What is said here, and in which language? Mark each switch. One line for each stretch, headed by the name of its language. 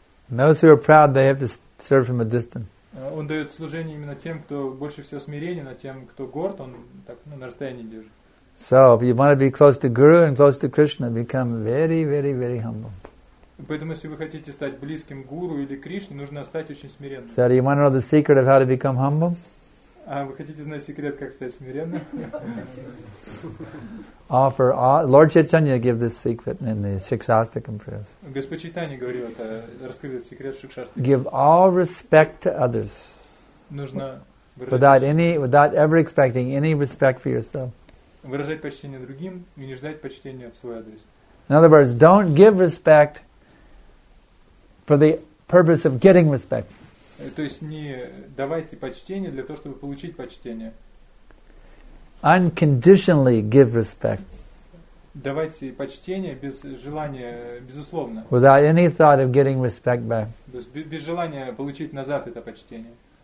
English: Those who are proud, they have to serve from a distance.
Russian: Он дает служение именно тем, кто больше всего смирения, а тем, кто горд, он так на расстоянии держит.
English: So, if you want to be close to Guru and close to Krishna, become very, very, very humble.
Russian: Поэтому, если вы хотите стать близким Гуру или Кришне, нужно стать очень смиренным.
English: So, do you want to know the secret of how to become humble?
Russian: А вы хотите знать секрет, как стать смиренным?
English: Offer Lord Chaitanya gave this secret in the Shikshastakam prayers.
Russian: Господь Чайтанья говорил это, раскрыл этот секрет в Шикшастике.
English: Give all respect to others.
Russian: Нужно
English: without ever expecting any respect for yourself.
Russian: Выражать почтение другим и не ждать почтения в свой адрес.
English: In other words, don't give respect for the purpose of getting respect.
Russian: То есть не давайте почтение для того, чтобы получить почтение.
English: Unconditionally give respect.
Russian: Давайте почтение без желания, безусловно.
English: Without any thought of getting respect back.
Russian: Без желания получить назад это почтение.